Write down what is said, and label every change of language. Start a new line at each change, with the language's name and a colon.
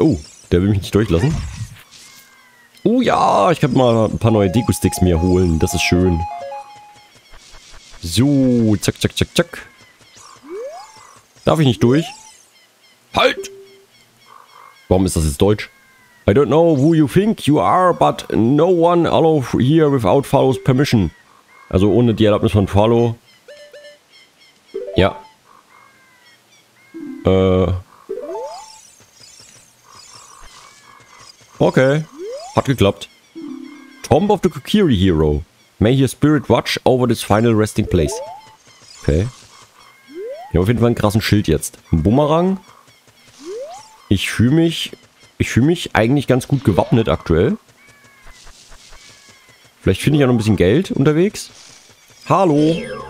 German: Oh, der will mich nicht durchlassen. Oh ja, ich kann mal ein paar neue Deko-Sticks mir holen. Das ist schön. So, zack, zack, zack, zack. Darf ich nicht durch? Halt! Warum ist das jetzt Deutsch?
English: I don't know who you think you are, but no one allowed here without Follow's permission.
German: Also ohne die Erlaubnis von Follow. Ja. Okay. Hat geklappt. Tomb of the Kokiri Hero.
English: May your spirit watch over this final resting place.
German: Okay. Ich habe auf jeden Fall einen krassen Schild jetzt. Ein Bumerang. Ich fühle mich eigentlich ganz gut gewappnet aktuell. Vielleicht finde ich ja noch ein bisschen Geld unterwegs. Hallo.